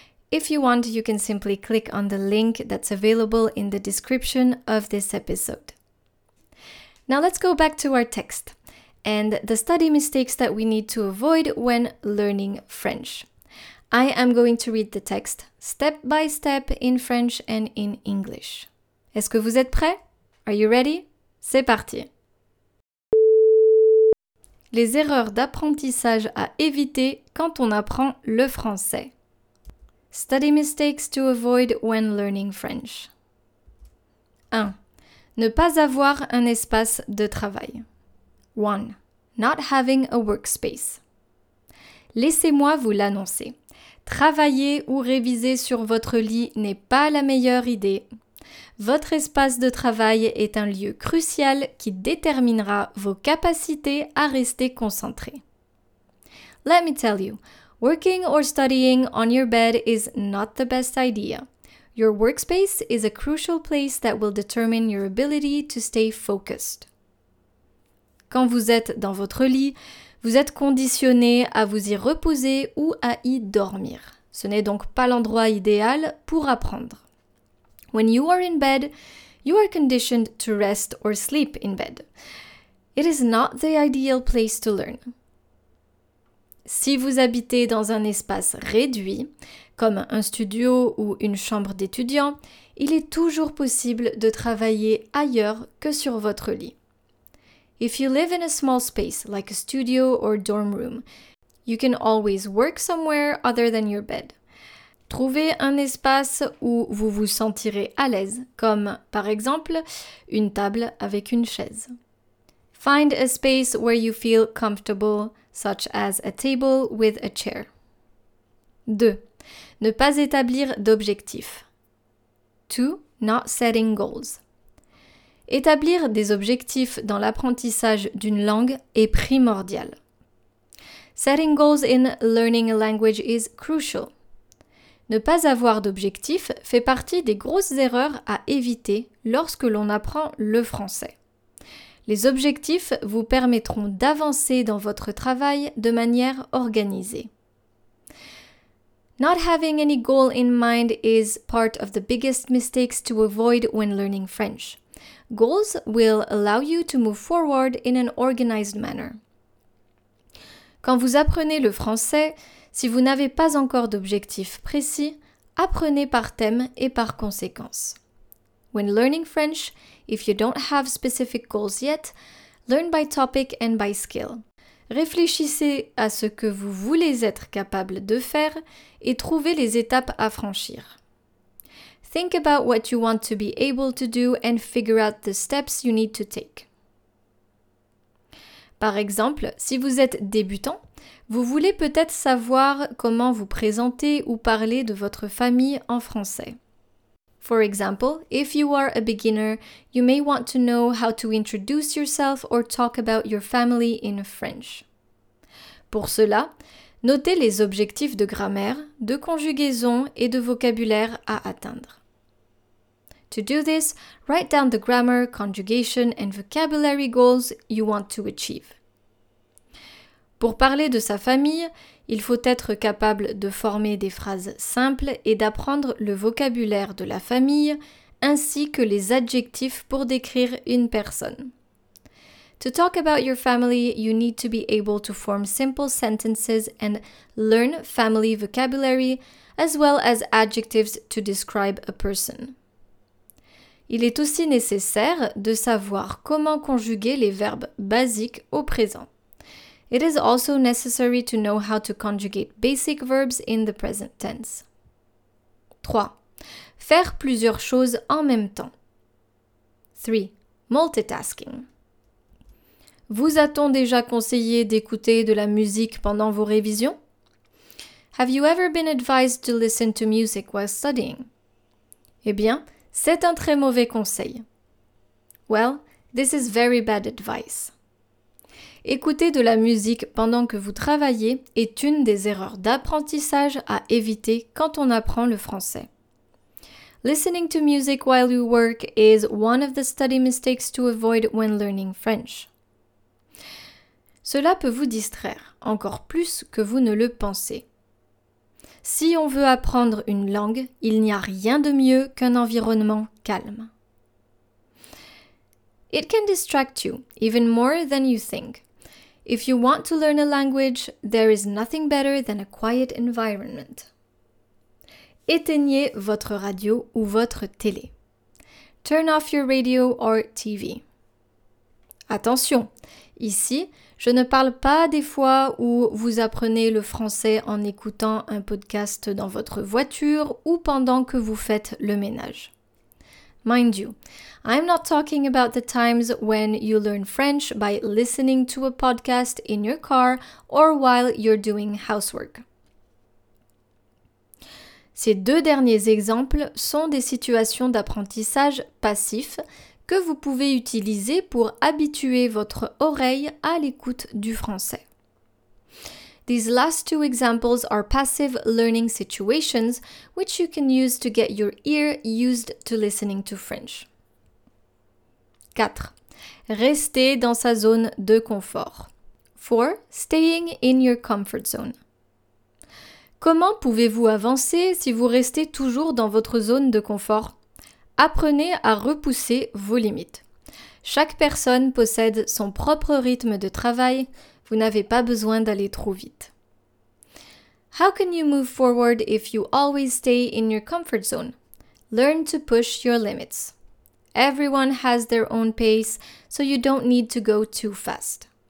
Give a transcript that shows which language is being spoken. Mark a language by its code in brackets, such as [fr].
[en] If you want, you can simply click on the link that's available in the description of this episode. Now let's go back to our text and the study mistakes that we need to avoid when learning French. I am going to read the text step by step in French and in English. [fr] Est-ce que vous êtes prêts? [en] Are you ready? [fr] C'est parti! Les erreurs d'apprentissage à éviter quand on apprend le français. [en] Study mistakes to avoid when learning French. 1. [fr] Ne pas avoir un espace de travail. 1. [en] Not having a workspace. [fr] Laissez-moi vous l'annoncer. Travailler ou réviser sur votre lit n'est pas la meilleure idée. Votre espace de travail est un lieu crucial qui déterminera vos capacités à rester concentré. [en] Let me tell you, working or studying on your bed is not the best idea. Your workspace is a crucial place that will determine your ability to stay focused. [fr] Quand vous êtes dans votre lit, vous êtes conditionné à vous y reposer ou à y dormir. Ce n'est donc pas l'endroit idéal pour apprendre. [en] When you are in bed, you are conditioned to rest or sleep in bed. It is not the ideal place to learn. [fr] Si vous habitez dans un espace réduit, comme un studio ou une chambre d'étudiant, il est toujours possible de travailler ailleurs que sur votre lit. [en] If you live in a small space, like a studio or dorm room, you can always work somewhere other than your bed. [fr] Trouvez un espace où vous vous sentirez à l'aise, comme par exemple une table avec une chaise. [en] Find a space where you feel comfortable, such as a table with a chair. 2. [fr] Ne pas établir d'objectifs. 2. [en] Not setting goals. [fr] Établir des objectifs dans l'apprentissage d'une langue est primordial. [en] Setting goals in learning a language is crucial. [fr] Ne pas avoir d'objectif fait partie des grosses erreurs à éviter lorsque l'on apprend le français. Les objectifs vous permettront d'avancer dans votre travail de manière organisée. [en] Not having any goal in mind is part of the biggest mistakes to avoid when learning French. Goals will allow you to move forward in an organized manner. [fr] Quand vous apprenez le français, si vous n'avez pas encore d'objectifs précis, apprenez par thème et par conséquence. [en] When learning French, if you don't have specific goals yet, learn by topic and by skill. [fr] Réfléchissez à ce que vous voulez être capable de faire et trouvez les étapes à franchir. [en] Think about what you want to be able to do and figure out the steps you need to take. [fr] Par exemple, si vous êtes débutant, vous voulez peut-être savoir comment vous présenter ou parler de votre famille en français. [en] For example, if you are a beginner, you may want to know how to introduce yourself or talk about your family in French. [fr] Pour cela, notez les objectifs de grammaire, de conjugaison et de vocabulaire à atteindre. [en] To do this, write down the grammar, conjugation and vocabulary goals you want to achieve. [fr] Pour parler de sa famille, il faut être capable de former des phrases simples et d'apprendre le vocabulaire de la famille ainsi que les adjectifs pour décrire une personne. [en] To talk about your family, you need to be able to form simple sentences and learn family vocabulary as well as adjectives to describe a person. [fr] Il est aussi nécessaire de savoir comment conjuguer les verbes basiques au présent. [en] It is also necessary to know how to conjugate basic verbs in the present tense. 3. [fr] Faire plusieurs choses en même temps. 3. [en] Multitasking. [fr] Vous a-t-on déjà conseillé d'écouter de la musique pendant vos révisions? [en] Have you ever been advised to listen to music while studying? [fr] Eh bien, c'est un très mauvais conseil. [en] Well, this is very bad advice. [fr] Écouter de la musique pendant que vous travaillez est une des erreurs d'apprentissage à éviter quand on apprend le français. [en] Listening to music while you work is one of the study mistakes to avoid when learning French. [fr] Cela peut vous distraire, encore plus que vous ne le pensez. Si on veut apprendre une langue, il n'y a rien de mieux qu'un environnement calme. [en] It can distract you even more than you think. If you want to learn a language, there is nothing better than a quiet environment. [fr] Éteignez votre radio ou votre télé. [en] Turn off your radio or TV. [fr] Attention, ici, je ne parle pas des fois où vous apprenez le français en écoutant un podcast dans votre voiture ou pendant que vous faites le ménage. [en] Mind you, I'm not talking about the times when you learn French by listening to a podcast in your car or while you're doing housework. [fr] Ces deux derniers exemples sont des situations d'apprentissage passif que vous pouvez utiliser pour habituer votre oreille à l'écoute du français. [en] These last two examples are passive learning situations which you can use to get your ear used to listening to French. 4. [fr] Rester dans sa zone de confort. 4. [en] Staying in your comfort zone. [fr] Comment pouvez-vous avancer si vous restez toujours dans votre zone de confort? Apprenez à repousser vos limites. Chaque personne possède son propre rythme de travail. Vous n'avez pas besoin d'aller trop vite. [en] How can you move forward if you always stay in your comfort zone? Learn to push your limits. Everyone has their own pace, so you don't need to go too fast.